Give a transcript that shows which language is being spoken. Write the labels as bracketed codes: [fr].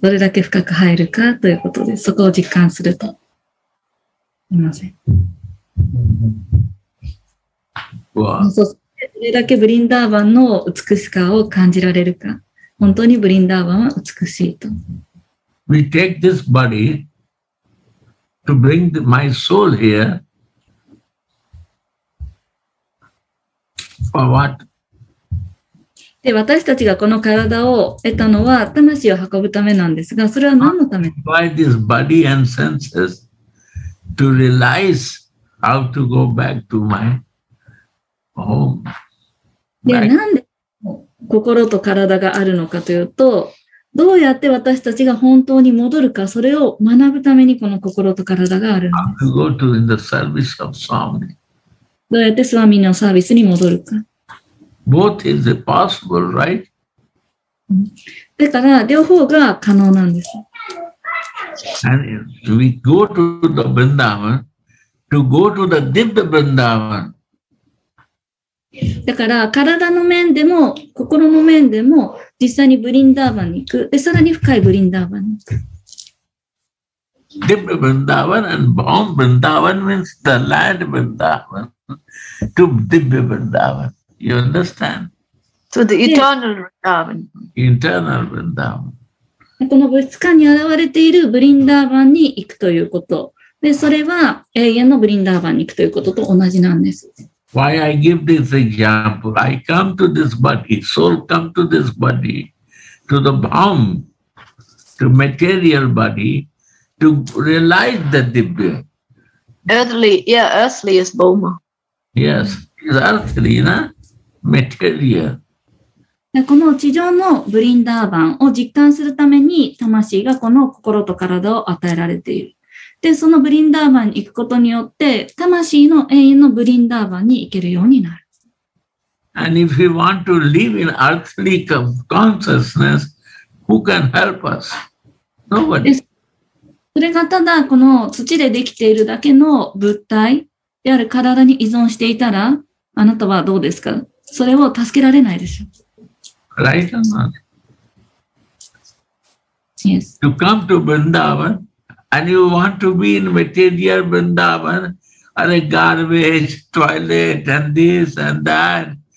[ja] どれだけ深く入るかということです。そこを実感すると。すみません。そしてどれだけブリンダーバンの美しさを感じられるか。本当にブリンダーバンは美しいと。 [en] We take this body to bring my soul here. For what? [ja] で私たちがこの体を得たのは魂を運ぶためなんですが、それは何のため [en] ？By this body and senses to realize how to go back to my home. [ja] で、なんで心と体があるのかというと、どうやって私たちが本当に戻るか、それを学ぶためにこの心と体があるんです。 [en] How to go to in the service of Swami. [ja] どうやってスワミのサービスに戻るか。 [en] Both is possible, right? [ja] だから両方が可能なんです。 [en] And we go to the Vrindavan to go to the Divya Vrindavan. [ja] だから体の面でも心の面でも実際にブリンダーバンに行く。で、さらに深いブリンダーバンに行く。 [en] Divya Vrindavan and Bhav Vrindavan means the land Vrindavan to Divya Vrindavan. You understand? So the eternal Vrindavan. Internal Vrindavan. [ja] この物質界に現れているブリンダーバンに行くということ。で、それは永遠のブリンダーバンに行くということと同じなんです。 [en] Why I give this example? I come to this body, soul come to this body, to the bomb, to material body, to realize the Dibya. Earthly, yeah, earthly is Boma. Yes, it's earthly, na?、No? Material. [ja] この地上のブリンダーバンを実感するために魂がこの心と体を与えられている。で、そのブリンダーバンに行くことによって、魂の永遠のブリンダーバンに行けるようになる。 [en] And if we want to live in earthly consciousness, who can help us? Nobody. [ja] それがただこの土でできているだけの物体である体に依存していたら、あなたはどうですか？それを助けられないでしょ。 [en] Right or not? Yes. To come to Vrindavan, and you want to be in material Vrindavan, or a garbage, toilet, and this and that.